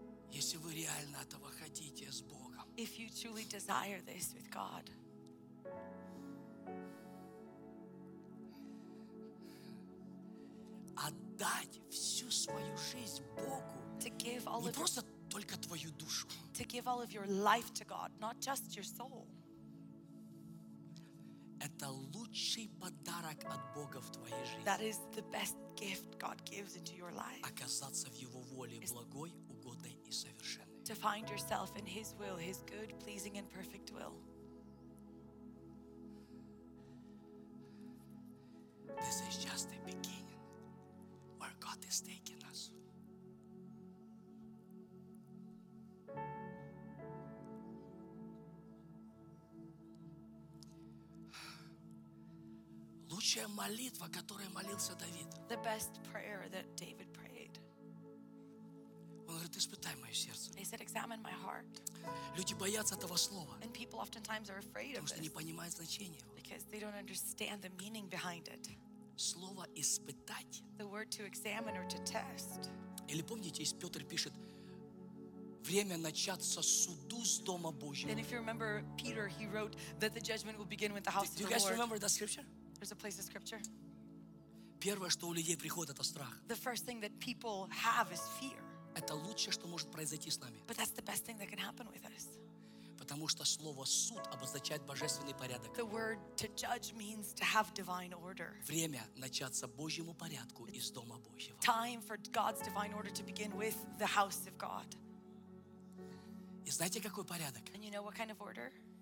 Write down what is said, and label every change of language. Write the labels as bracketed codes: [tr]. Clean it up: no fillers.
[ru] Если вы реально этого хотите с Богом. [en] If you truly desire this with God. [ru] Отдать всю свою жизнь Богу. [en] To give all [ru] не просто только твою душу. [en] To give all of your life to God, not just your soul. [ru] Это лучший подарок от Бога в твоей жизни. [en] That is the best gift God gives into your life. [ru] Оказаться в Его воле благой, угодной и совершенной. [en] To find yourself in His will, His good, pleasing and perfect will. This is just the beginning where God is taking us. [ru] Лучшая молитва, которой молился Давид. [en] The best prayer that David prayed. [ru] Он говорит, испытай мое сердце. [en] He said, examine my heart. [ru] Люди боятся этого слова. [en] And people oftentimes are afraid of this. [ru] Потому что не понимают значения. [en] Because they don't understand the meaning behind it. [ru] Слово испытать. [en] The word to examine or to test. [ru] Или помните, если Петр пишет, время начаться суду с дома Божьего. [en] And if you remember Peter, he wrote that the judgment will begin with the house of the Lord. Do you guys remember that scripture? There's a place in scripture. [ru] Первое, что у людей приходит, это страх. [en] The first thing that people have is fear. [ru] Это лучшее, что может произойти с нами. [en] But that's the best thing that can happen with us. [ru] Потому что слово суд обозначает божественный порядок. [en] The word to judge means to have divine order. [ru] Время начаться Божьему порядку из дома Божьего. [en] Time for God's divine order to begin with the house of God. [ru] И знаете, какой порядок? [en] And you know what kind of order?